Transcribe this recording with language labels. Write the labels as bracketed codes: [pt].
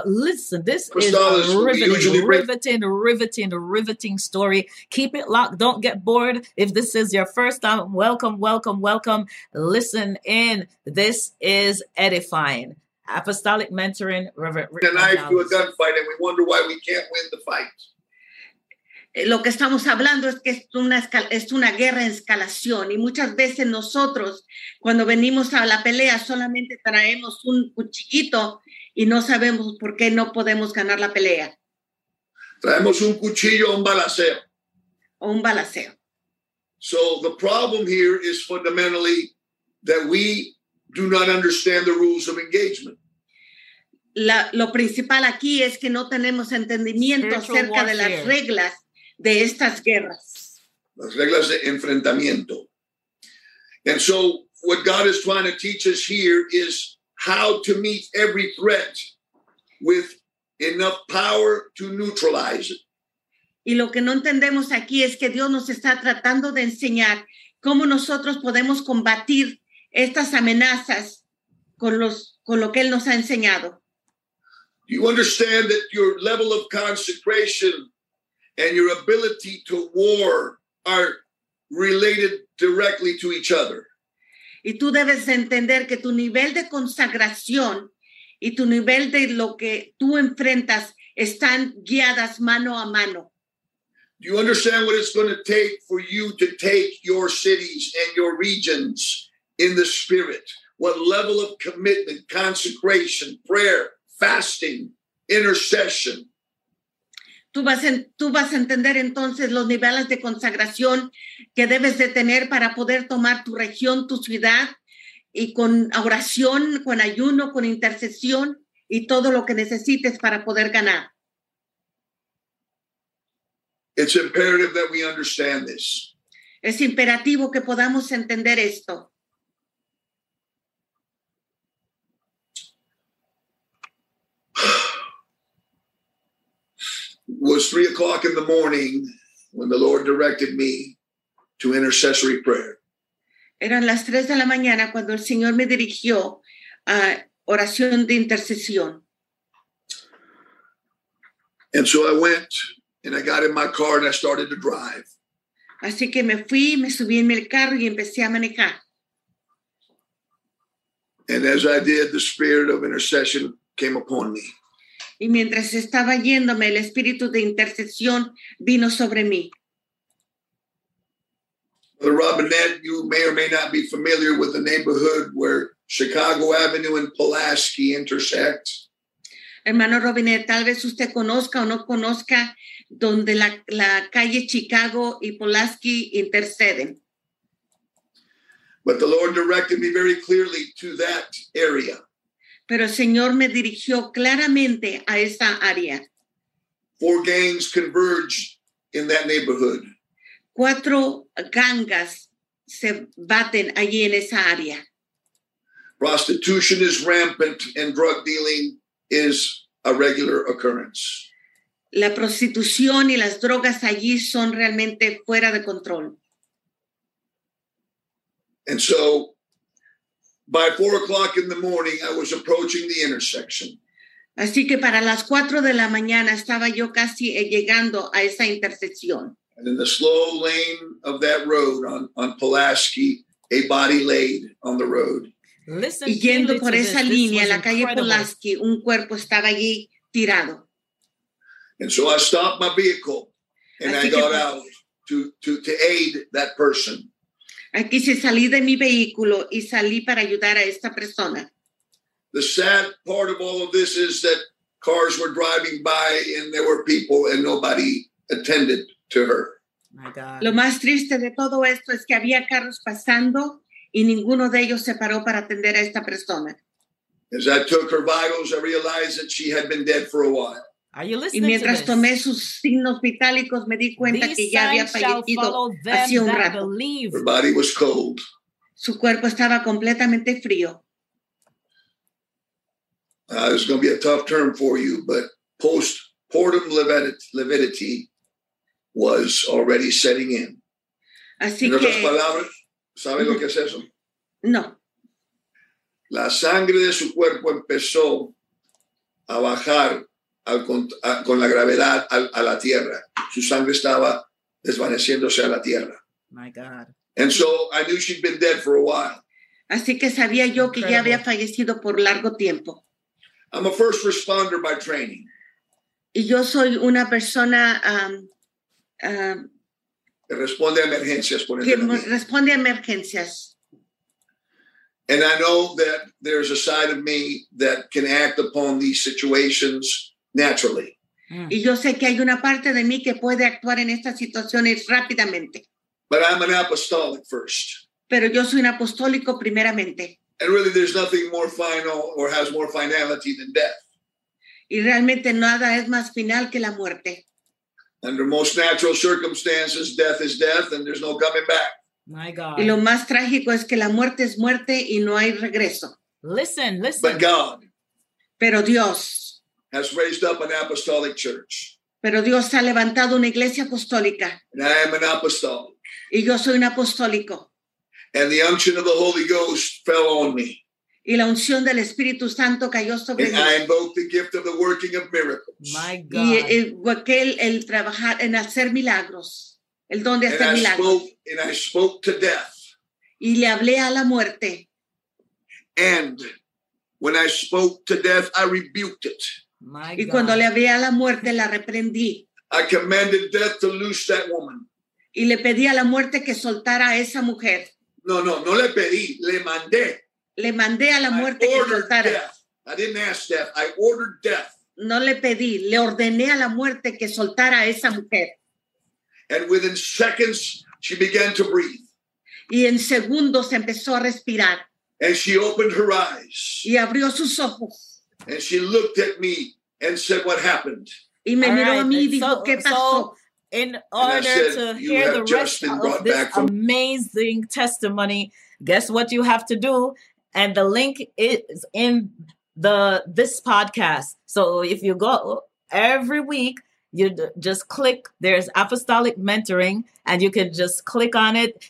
[en] But listen, this is a riveting story. Keep it locked. Don't get bored. If this is your first time, welcome, welcome, welcome. Listen in. This is edifying. Apostolic Mentoring, Reverend Rick. And I do a gunfight and we wonder why we can't win the fight. [es] Lo que estamos hablando es que es una guerra en escalación y muchas veces nosotros cuando venimos a la pelea solamente traemos un cuchillito y no sabemos por qué no podemos ganar la pelea. Traemos un cuchillo o un balaceo. O un balaceo. [en] So the problem here is fundamentally that we do not understand the rules of engagement. [es] Lo principal aquí es que no tenemos entendimiento acerca de las reglas de estas guerras. Las reglas de enfrentamiento. [en] And so what God is trying to teach us here is how to meet every threat with enough power to neutralize it. [es] Y lo que no entendemos aquí es que Dios nos está tratando de enseñar cómo nosotros podemos combatir estas amenazas con lo que Él nos ha enseñado. [en] Do you understand that your level of consecration and your ability to war are related directly to each other? [es] Y tú debes entender que tu nivel de consagración y tu nivel de lo que tú enfrentas están guiadas mano a mano. [en] Do you understand what it's going to take for you to take your cities and your regions in the spirit? What level of commitment, consecration, prayer, fasting, intercession? [es] Tú vas a entender entonces los niveles de consagración que debes de tener para poder tomar tu región, tu ciudad, y con oración, con ayuno, con intercesión, y todo lo que necesites para poder ganar. [en] It's imperative that we understand this. [es] Es imperativo que podamos entender esto. [en] It was 3:00 in the morning when the Lord directed me to intercessory prayer. [es] Eran las 3 de la mañana cuando el Señor me dirigió a oración de intercesión. [en] And so I went and I got in my car and I started to drive. [es] Así que me fui, me subí en el carro y empecé a manejar. [en] And as I did, the spirit of intercession came upon me. [es] Y mientras estaba yéndome, el espíritu de intercesión vino sobre mí. [en] Brother Robinette, you may or may not be familiar with the neighborhood where Chicago Avenue and Pulaski intersect. [es] Hermano Robinette, tal vez usted conozca o no conozca donde la calle Chicago y Pulaski interceden. [en] But the Lord directed me very clearly to that area. [es] Pero el Señor me dirigió claramente a esa área. [en] 4 gangs converge in that neighborhood. [es] 4 gangas se baten allí en esa área. [en] Prostitution is rampant and drug dealing is a regular occurrence. [es] La prostitución y las drogas allí son realmente fuera de control. [en] And so, by 4:00 in the morning, I was approaching the intersection. [es] Así que para las 4 de la mañana estaba yo casi llegando a esa intersección. [en] And in the slow lane of that road on Pulaski, a body laid on the road. Listen, [es] yendo por esa línea, la calle Pulaski, un cuerpo estaba allí tirado. [en] And so I stopped my vehicle and I got out to aid that person. [es] Aquí se salí de mi vehículo y salí para ayudar a esta persona. [en] The sad part of all of this is that cars were driving by and there were people and nobody attended to her. My God. [es] Lo más triste de todo esto es que había carros pasando y ninguno de ellos se paró para atender a esta persona. [en] As I took her vitals, I realized that she had been dead for a while. Are you listening? [es] Y mientras tomé [en] this? [es] Sus signos vitálicos, me di cuenta [en] these [es] que ya había fallecido hace un rato. [en] Believe. Her body was cold. [es] Su cuerpo estaba completamente frío. [en] It's going to be a tough term for you, but postpartum lividity was already setting in. [es] Así en otras palabras, ¿sabes lo que es eso? No. La sangre de su cuerpo empezó a bajar. Con la gravedad a la tierra. Su sangre estaba desvaneciéndose a la tierra. [en] My God. And so I knew she'd been dead for a while. [es] Así que sabía yo que ya había fallecido por largo tiempo. [en] I'm a first responder by training. [es] Y yo soy una persona que responde a emergencias por entrenamiento. Responde a emergencias. [en] And I know that there's a side of me that can act upon these situations naturally. [es] Y yo sé que hay una parte de mí que puede actuar en estas situaciones rápidamente. [en] But I'm an apostolic first. [es] Pero yo soy un apostólico primeramente. [en] And really there's nothing more final or has more finality than death. [es] Y realmente nada es más final que la muerte. [en] Under most natural circumstances, death is death and there's no coming back. My God. [es] Y lo más trágico es que la muerte es muerte y no hay regreso. [en] Listen, listen. But God. [es] Pero Dios. [en] Has raised up an apostolic church. [es] Pero Dios ha levantado una iglesia apostólica. [en] And I am an apostolic. [es] Y yo soy un apostólico. [en] And the unction of the Holy Ghost fell on me. [es] Y la unción del Espíritu Santo cayó sobre mí. [en] And I invoke the gift of the working of miracles. My God. [es] Y invoqué el trabajar en hacer milagros. El don de hacer [en] and [es] milagros. [en] I spoke to death. [es] Y le hablé a la muerte. [en] And when I spoke to death, I rebuked it. My God. [es] Y cuando le hablé a la muerte, la reprendí. [en] I commanded death to loose that woman. [es] Y le pedí a la muerte que soltara a esa mujer. No le pedí, le mandé. Le mandé a la muerte que soltara. [en] I didn't ask death, I ordered death. [es] No le pedí, le ordené a la muerte que soltara a esa mujer. [en] And within seconds, she began to breathe. [es] Y en segundos empezó a respirar. [en] And she opened her eyes. [es] Y abrió sus ojos. [en] And she looked at me and said, what happened? [es] Y me miró a mí y dijo, ¿qué pasó? [en] In order to hear the rest of this amazing testimony, guess what you have to do? And the link is in this podcast. So if you go every week, you just click, there's Apostolic Mentoring, and you can just click on it.